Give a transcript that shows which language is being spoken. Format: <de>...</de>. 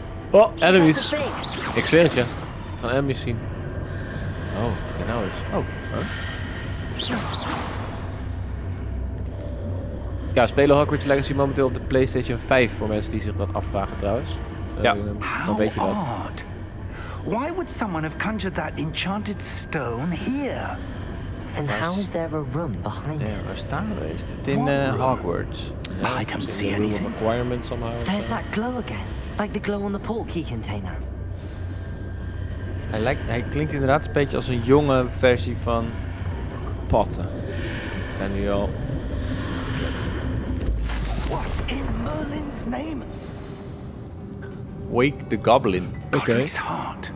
<nl>Oh, enemies. Ik zweer het je. Gaan enemies zien. Oh, kijk nou eens. Oh, huh? Ja, spelen Hogwarts Legacy momenteel op de PlayStation 5 voor mensen die zich dat afvragen trouwens. Ja. Dan weet je dat.</nl> <en>How odd. Why would someone have conjured that enchanted stone here? And how is there a room behind it?</en> <nl>Ja, waar staan we? Is het in Hogwarts?</nl> <en>Ja, I don't see anything. Requirement somehow. There's that glow again, like the glow on the portkey container.</en> <nl>Hij klinkt inderdaad een beetje als een jonge versie van Potter. Zijn nu al.</nl> <en>What in Merlin's name? Wake the Goblin. Godric's Heart.</en>